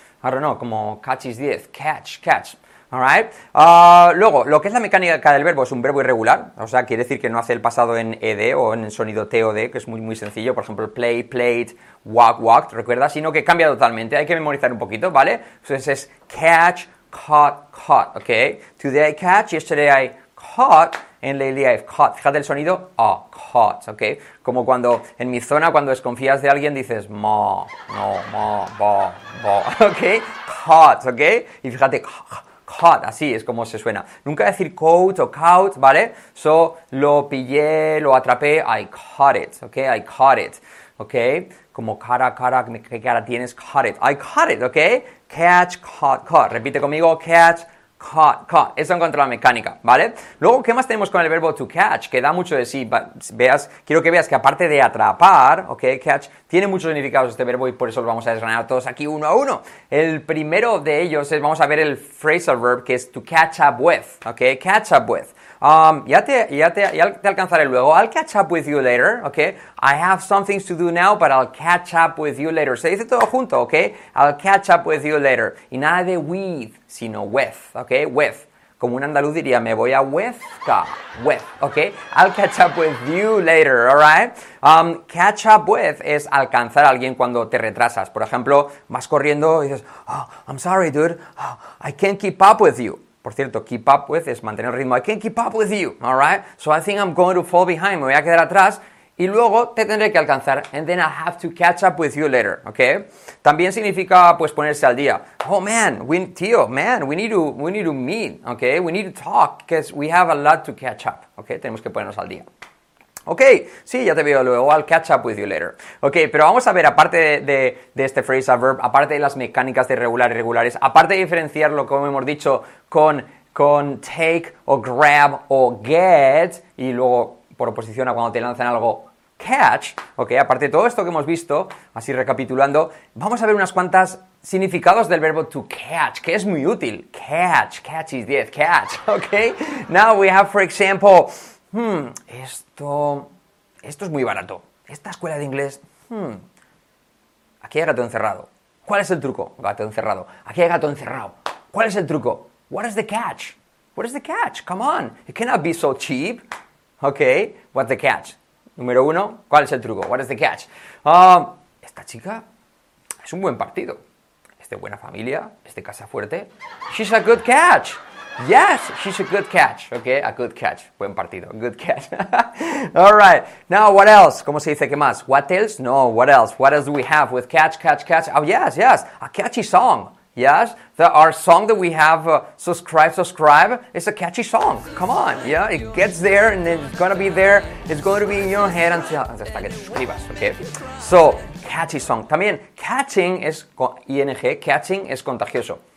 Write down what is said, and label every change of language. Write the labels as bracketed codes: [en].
[es] Ahora no, como [en] catch is 10, catch, catch. Alright. [es] Luego, lo que es la mecánica del verbo es un verbo irregular, o sea, quiere decir que no hace el pasado en ed o en el sonido t o d, que es muy muy sencillo, por ejemplo, play, played, walk, walked, recuerda, sino que cambia totalmente, hay que memorizar un poquito, ¿vale? Entonces es catch, caught, caught, ¿ok? [en] Today I catch, yesterday I caught, and lately I've caught. [es] Fíjate el sonido, oh, caught, ¿ok? Como cuando, en mi zona, cuando desconfías de alguien, dices ma, no, ma, ba, ba, ¿ok? Caught, ¿ok? Y fíjate, caught, así es como se suena. Nunca decir coat o caught, ¿vale? So, lo pillé, lo atrapé, [en] I caught it, [es] ¿ok? [en] I caught it, [es] ¿ok? Como cara, cara, ¿qué cara tienes? [en] Caught it, I caught it, ¿ok? Catch, caught, caught. [es] Repite conmigo, catch, caught, caught. Eso en cuanto a la mecánica, ¿vale? Luego, ¿qué más tenemos con el verbo to catch? Que da mucho de sí. Quiero que veas que aparte de atrapar, ¿ok? Catch, tiene muchos significados este verbo y por eso lo vamos a desgranar todos aquí uno a uno. El primero de ellos es, vamos a ver el phrasal verb, que es to catch up with, ¿ok? Catch up with. Ya te alcanzaré luego. [en] I'll catch up with you later, ¿ok? I have some things to do now, but I'll catch up with you later. [es] Se dice todo junto, [en] ¿ok? I'll catch up with you later. [es] Y nada de with, sino with, ¿ok? With. Como un andaluz diría, me voy a Huesca. [en] With, ¿ok? I'll catch up with you later, alright? [es] Catch up with es alcanzar a alguien cuando te retrasas. Por ejemplo, vas corriendo y dices, [en] oh, I'm sorry, dude. Oh, I can't keep up with you. [es] Por cierto, keep up with es mantener el ritmo. [en] I can't keep up with you, alright? So I think I'm going to fall behind. [es] Me voy a quedar atrás y luego te tendré que alcanzar. [en] And then I have to catch up with you later, [es] ¿ok? También significa, pues, ponerse al día. [en] Oh, man, we need to meet, ¿ok? We need to talk because we have a lot to catch up, ¿ok? [es] Tenemos que ponernos al día. Ok, sí, ya te veo luego, [en] I'll catch up with you later. [es] Ok, pero vamos a ver, aparte de este phrasal verb, aparte de las mecánicas de regular y irregulares, aparte de diferenciarlo, como hemos dicho, con take o grab o get, y luego por oposición a cuando te lanzan algo, catch, ok, aparte de todo esto que hemos visto, así recapitulando, vamos a ver unas cuantas significados del verbo to catch, que es muy útil. [en] Catch, catch is 10, catch, ok. Now we have, for example, [es] esto es muy barato. Esta escuela de inglés, aquí hay gato encerrado. ¿Cuál es el truco? Gato encerrado. Aquí hay gato encerrado. ¿Cuál es el truco? [en] What is the catch? What is the catch? Come on. It cannot be so cheap. Ok. What's the catch? [es] Número uno, ¿cuál es el truco? [en] What is the catch? [es] Esta chica es un buen partido. Es de buena familia. Es de casa fuerte. [en] She's a good catch. Yes, she's a good catch, okay? A good catch, buen partido, good catch. All right, now what else? [es] ¿Cómo se dice qué más? [en] What else? No, what else? What else do we have with catch, catch, catch? Oh, yes, yes, a catchy song. Yes, our song that we have, subscribe, subscribe, is a catchy song. Come on, yeah, it gets there and it's gonna be there. It's going to be in your head until [es] hasta que te suscribas, [en] okay? So, catchy song. [es] También, catching es ing, catching es contagioso.